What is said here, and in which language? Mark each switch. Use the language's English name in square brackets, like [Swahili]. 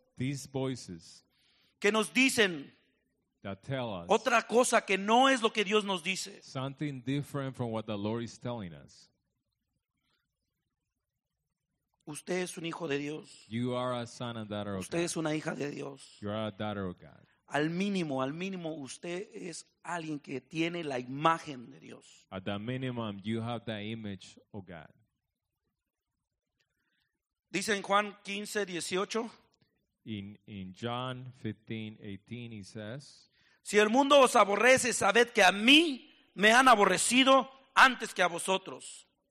[English] These voices. [Spanish] Que nos dicen. [English] That tell us. [Spanish] Otra cosa que no es lo que Dios nos dice. [English] Something different from what the Lord is telling us. [Spanish] Usted es un hijo de Dios. [English] You are a son and daughter of God. [Spanish] Usted es una hija de Dios. [English] You are a daughter of God. [Spanish] Al mínimo, usted es alguien que tiene la imagen de Dios. [English] At the minimum, you have the image of God. [Spanish] Dice en Juan 15:18. [English] In John 15:18, he says, [Spanish] si el mundo os aborrece, sabed que a mí me han aborrecido antes que a vosotros.